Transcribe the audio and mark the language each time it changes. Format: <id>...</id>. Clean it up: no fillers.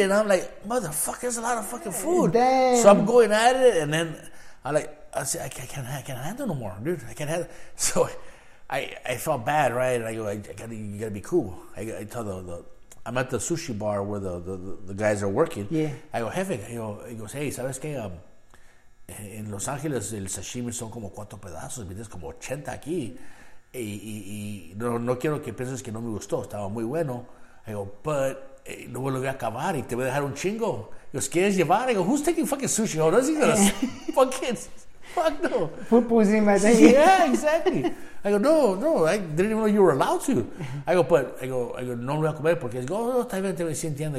<en>And I'm like, motherfucker, that's a lot of fucking food. Damn. So I'm going at it, and then I'm like, I can't handle no more, dude. I can't handle. So I felt bad, right? And I go, you gotta be cool. I tell I'm at the sushi bar where the guys are working. Yeah. I go,</en> <es>jefe,</es> <en>he goes, hey,</en> <es>sabes que en Los Angeles el sashimi son como 4 pedazos, vienes como 80 aquí. Y no quiero que pienses que no me gustó, estaba muy bueno.</es> <en>I go, but</en> <es>no me lo voy a acabar y te voy a dejar un chingo.</es> <en>He goes,</en> <es>¿quieres llevar?</es> <en>I go, who's taking fucking sushi? Oh, that's even a fucking, fuck no. Poo-poo's in my day. Yeah, exactly. I go, no, I didn't even know you were allowed to. I go,</en> <es>no lo voy a comer porque, oh, no, está bien, te voy a sentir.</es>